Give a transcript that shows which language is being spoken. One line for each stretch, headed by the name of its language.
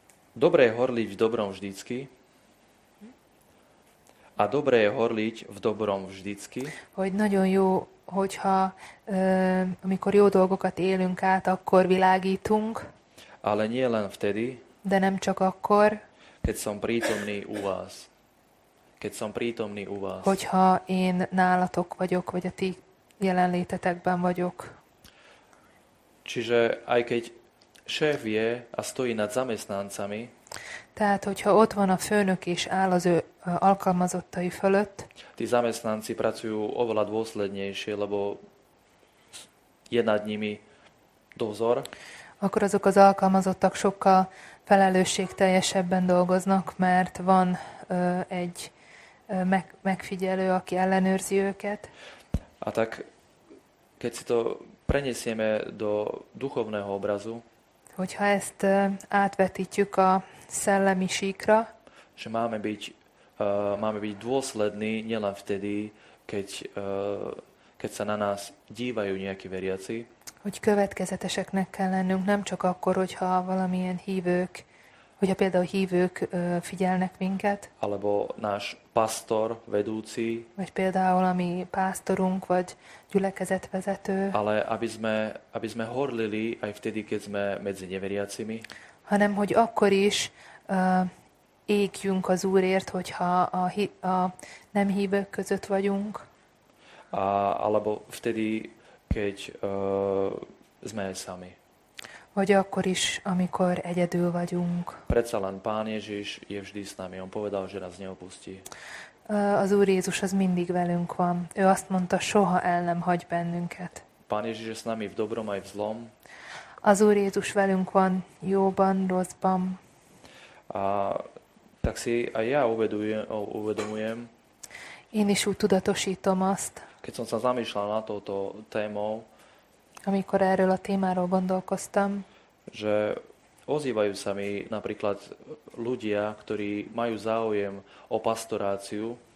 Slovak: Dobré je horliť v dobrom vždycky. A dobré je horliť v dobrom vždycky.
Hungarian: Hogy nagyon jó, hogyha amikor jó dolgokat élünk át, akkor világítunk.
Slovak: Ale nie len vtedy.
Hungarian: De nem csak akkor.
Slovak: Keď som prítomný u vás. Keď som prítomný u vás.
Hungarian: Hogyha én nálatok vagyok, vagy a ti jelenlétetekben vagyok.
Slovak: Čiže aj keď šéf je a stojí nad zamestnancami.
Hungarian: Tehát, hogyha ott van a főnök és áll az ő alkalmazottai fölött.
Slovak: Tí zamestnanci pracujú oveľa dôslednejšie, lebo je nad nimi dozor.
Hungarian: Akkor azok az alkalmazottak sokkal felelősségteljesebben dolgoznak, mert van egy megfigyelő, aki ellenőrzi őket.
Slovak: A tak, keď si to prenesieme do duchovného obrazu,
Hungarian: hogyha ezt átvetítjük a szellemi síkra,
Slovak: že máme byť dôslední nielen vtedy, keď sa na nás dívajú nejakí veriaci,
Hungarian: hogy következeteseknek kell lennünk, nem csak akkor, hogyha valamilyen hívők, hogyha például hívők figyelnek minket,
Slovak: alebo náš pastor, vedúci,
Hungarian: vagy például a mi pásztorunk, vagy gyülekezetvezető,
Slovak: ale aby sme horlili aj vtedy, keď sme medzi neveriacimi,
Hungarian: hanem hogy akkor is égjünk az Úrért, hogyha a nem hívők között vagyunk,
Slovak: alebo vtedy, keď sme sami.
Hungarian: Vagy akkor is, amikor egyedül vagyunk.
Slovak: Predsa len Pán Ježiš je vždy s nami. On povedal, že nás neopustí.
Hungarian: Az Úr Jézus az mindig velünk van. Ő azt mondta, soha el nem hagy bennünket.
Slovak: Pán Ježiš je s nami v dobrom aj v zlom.
Hungarian: Az Úr Jézus velünk van jóban, rosszban.
Slovak: Tak si aj ja uvedomujem.
Hungarian: Én is úgy tudatosítom azt,
Slovak: keď som sa zamýšľal na touto témou,
Hungarian: amikor erről a témáról gondolkoztam,
Slovak: že ozývajú sa mi napríklad ľudia, ktorí majú záujem o pastoráciu,